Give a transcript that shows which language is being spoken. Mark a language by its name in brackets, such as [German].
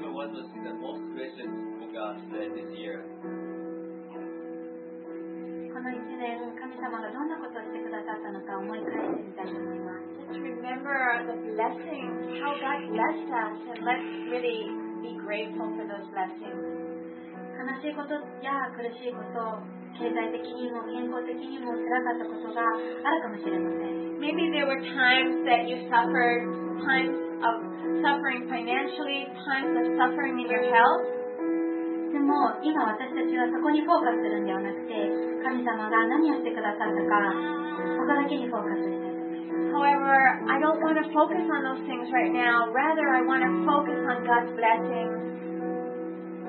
[English] Never was listening that most Christians forgot that this year. [Japanese] この一年神様がどんなことをしてくださったのか思い返してみたいと思います [English] Let's remember the blessings, how God blessed us, and let's really be grateful for those blessings. [Japanese] 悲しいことや苦しいこと経済的にも健康的にも辛かったことがあるかもしれません。 [English] Maybe there were times that you suffered, times of suffering financially, times of suffering in your health. [Japanese] でも今私たちはそこにフォーカスするんではなくて、神様が何をしてくださったか、そこだけにフォーカスして。 [English] However, I don't want to focus on those things right now. Rather, I want to focus on God's blessings.